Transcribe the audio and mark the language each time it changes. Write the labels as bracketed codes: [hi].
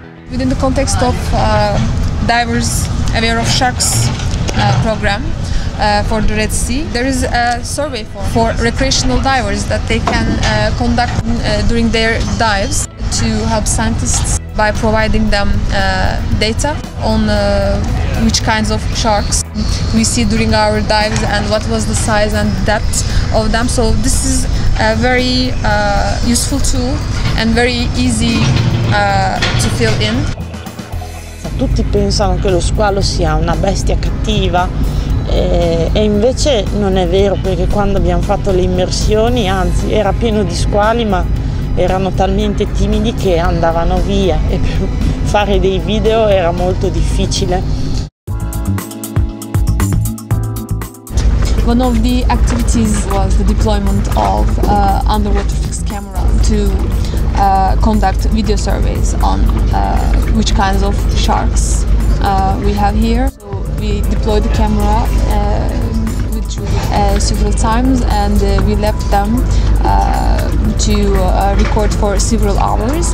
[en] Within the context of Divers Aware of Sharks program for the Red Sea, there is a survey for recreational divers that they can conduct during their dives to help scientists by providing them data on which kinds of sharks we see during our dives and what was the size and depth of them. So this is a very useful tool and very easy to fill in. [it] Tutti pensano che lo squalo sia una bestia cattiva e invece non è vero, perché quando abbiamo fatto le immersioni, anzi, era pieno di squali, ma erano talmente timidi che andavano via e per fare dei video era molto difficile. [en] One of the activities was the deployment of underwater fixed camera to conduct video surveys on which kinds of sharks we have here. So we deployed the camera with several times, and we left them to record for several hours.